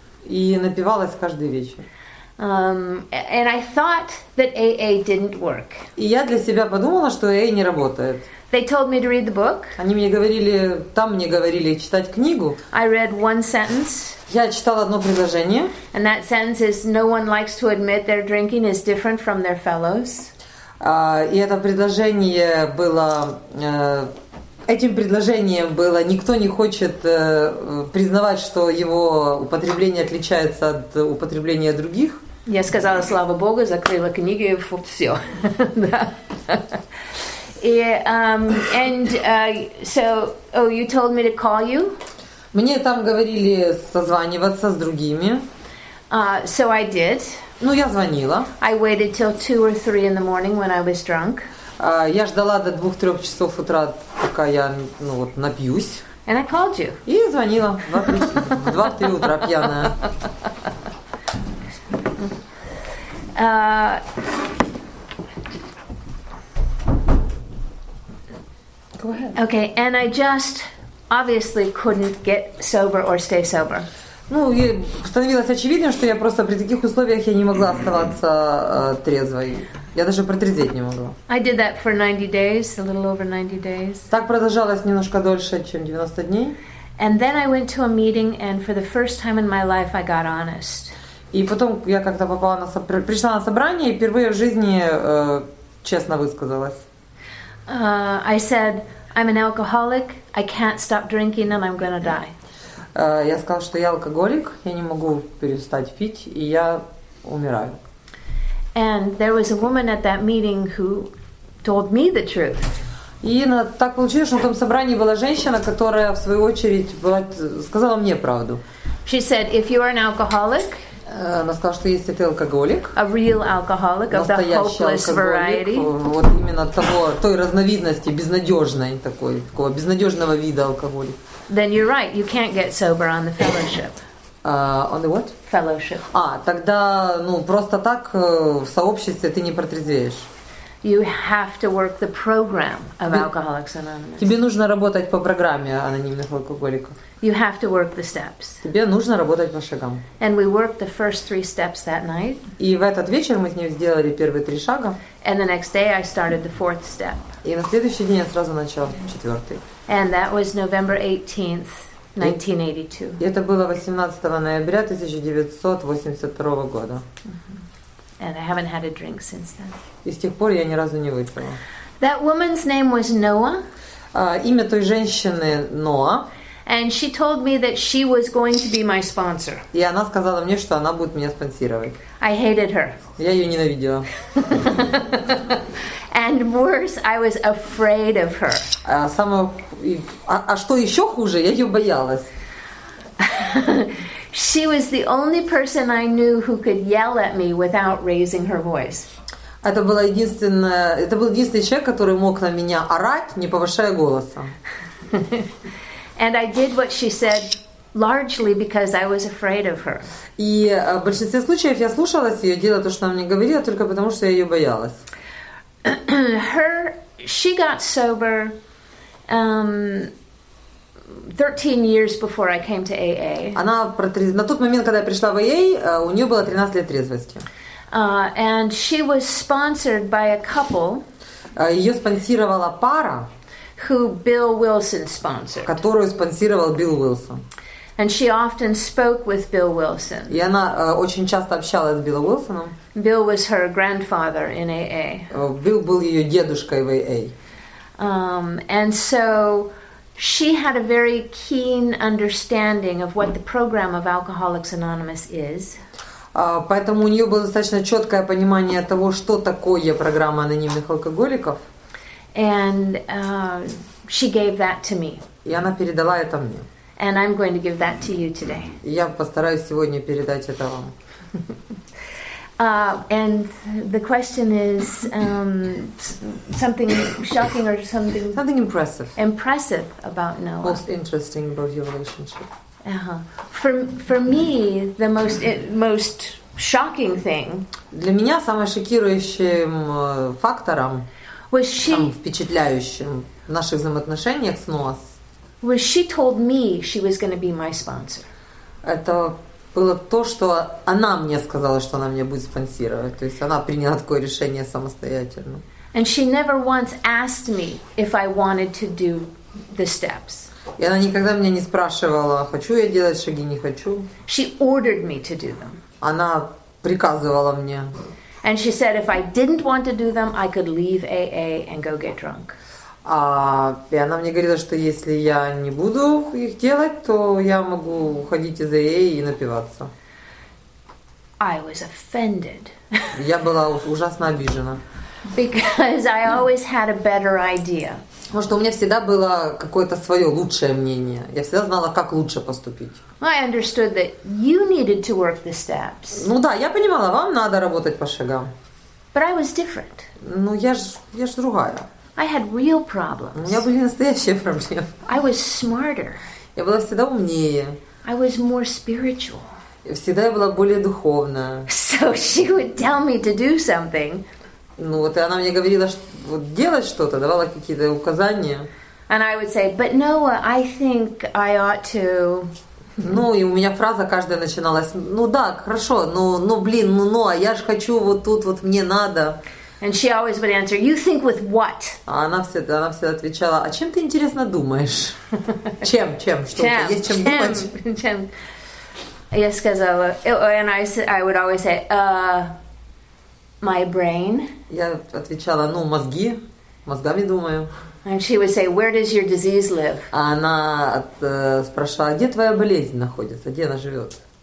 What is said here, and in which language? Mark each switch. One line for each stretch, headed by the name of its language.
Russian: И напивалась каждый вечер.
English: And I thought that AA didn't work.
Russian: И я для себя подумала, что AA не работает.
English: They told me to read the book.
Russian: Они мне говорили, там мне говорили читать книгу.
English: I read one sentence.
Russian: Я читала одно предложение.
English: And that sentence is, no one likes to admit their drinking is different from their fellows.
Russian: И это предложение было... Этим предложением было, никто не хочет признавать, что его употребление отличается от употребления других. Я сказала, слава Богу, закрыла книги, вот все.
English: И, you told me to call you?
Russian: Мне там говорили созваниваться с другими.
English: So I did.
Russian: Ну, я звонила.
English: I waited till 2 or 3 in the morning when I was drunk.
Russian: Я ждала до 2-3 часов утра, пока я, ну вот, напьюсь.
English: And I called you.
Russian: И звонила в 2-3 утра пьяная.
English: Go ahead. Okay, and I just obviously couldn't get sober or stay sober.
Russian: Ну, и становилось очевидным, что я просто при таких условиях я не могла оставаться трезвой. Я даже протрезветь не могла.
English: I did that for 90 days, a little over 90 days.
Russian: Так продолжалось немножко дольше, чем 90 дней.
English: And then I went to a meeting, and for the first time in my life I got honest.
Russian: И потом я как-то попала на пришла на собрание и впервые в жизни честно высказалась.
English: I said, I'm an alcoholic, I can't stop drinking and I'm gonna die.
Russian: Я сказала, что я алкоголик, я не могу перестать пить, и я умираю.
English: And there was a woman at that meeting who told me the truth.
Russian: И так получилось, что на том собрании была женщина, которая в свою очередь сказала мне правду.
English: She said, if you are an alcoholic,
Russian: она сказала, что если ты алкоголик,
English: a real alcoholic of the hopeless variety,
Russian: вот именно той разновидности безнадежной такой, такого безнадежного вида алкоголик.
English: Then you're right. You can't get sober on the fellowship. On the what? Fellowship.
Russian: Тогда, ну, просто так в сообществе ты не протрезвеешь.
English: You have to work the program of Alcoholics Anonymous.
Russian: Тебе нужно работать по программе анонимных алкоголиков.
English: You have to work the steps.
Russian: Тебе нужно работать по шагам.
English: And we worked the first three steps that night.
Russian: И в этот вечер мы с ней сделали первые три шага.
English: And the next day I started the fourth step.
Russian: И на следующий день я сразу начал четвертый.
English: And that was November 18th, 1982.
Russian: Это было 18 ноября 1982 года.
English: And I haven't had a drink since then.
Russian: И с тех пор я ни разу не выпила.
English: That woman's name was Noah.
Russian: Имя той женщины Ноа.
English: And she told me that she was going to be my sponsor.
Russian: И она сказала мне, что она будет меня спонсировать.
English: I hated her.
Russian: Я ее ненавидела.
English: And worse, I was afraid of her.
Russian: А что еще хуже, я ее боялась.
English: She was the only person I knew who could yell at me without raising her voice.
Russian: Это был единственный человек, который мог на меня орать, не повышая голоса.
English: And I did what she said, largely because I was afraid of her.
Russian: И в большинстве случаев я слушалась ее, делала то, что она мне говорила, только потому что я ее боялась.
English: She got sober 13 years before I came to AA.
Russian: Она на тот момент, когда я пришла в AA, у нее было 13 лет трезвости.
English: And she was sponsored by a couple.
Russian: Ее спонсировала пара.
English: Who Bill Wilson sponsored.
Russian: Которую спонсировал Билл Уилсон.
English: And she often spoke with Bill Wilson.
Russian: И она очень часто общалась с Биллом Уилсоном.
English: Bill was her grandfather in AA.
Russian: Билл был ее дедушкой в AA.
English: And so she had a very keen understanding of what the program of Alcoholics Anonymous is.
Russian: Поэтому у нее было достаточно четкое понимание того, что такое программа анонимных алкоголиков.
English: And she gave that to me.
Russian: И она передала это мне.
English: And I'm going to give that to you today.
Russian: Я постараюсь сегодня передать это вам.
English: And the question is something shocking or something... Something impressive. Impressive about Noah. Most interesting about your relationship. For me, the most shocking thing...
Russian: Для меня самым шокирующим фактором...
English: Was she...
Russian: Самым впечатляющим в наших взаимоотношениях с Ноас.
English: Was she told me she was going to be my sponsor?
Russian: Это было то, что она мне сказала, что она меня будет спонсировать. То есть она приняла такое решение самостоятельно.
English: And she never once asked me if I wanted to do the steps.
Russian: И она никогда меня не спрашивала, хочу я делать шаги, не хочу.
English: She ordered me to do them.
Russian: Она приказывала мне.
English: And she said, if I didn't want to do them, I could leave AA and go get drunk.
Russian: И она мне говорила, что если я не буду их делать, то я могу уходить из АА и напиваться.
English: I was offended.
Russian: Я была ужасно обижена.
English: Because I always had a better idea.
Russian: Потому что у меня всегда было какое-то свое лучшее мнение. Я всегда знала, как лучше поступить.
English: I understood that you needed to work the steps.
Russian: Ну да, я понимала, вам надо работать по шагам.
English: But I was different.
Russian: Ну я ж другая.
English: I had real problems.
Russian: У меня были настоящие проблемы.
English: I was smarter.
Russian: Я была всегда умнее.
English: I was more spiritual.
Russian: Всегда я была более духовная.
English: So she would tell me to do something.
Russian: Ну вот и она мне говорила, что вот делать что-то, давала какие-то указания.
English: And I would say, but Noah, I think I ought to.
Russian: Ну и у меня фраза каждая начиналась. Ну да, хорошо, но блин, ну а я ж хочу вот тут вот мне надо.
English: And she always would answer, you think with what?
Russian: Она всегда отвечала, а чем ты интересно думаешь? Чем, что-то есть чем думать? Чем? Я сказала,
English: and I would always say, my brain.
Russian: Я отвечала, ну мозги, мозгами думаю.
English: And she would say, where does your disease live?
Russian: Она спрашивала, где твоя болезнь находится, где она живет?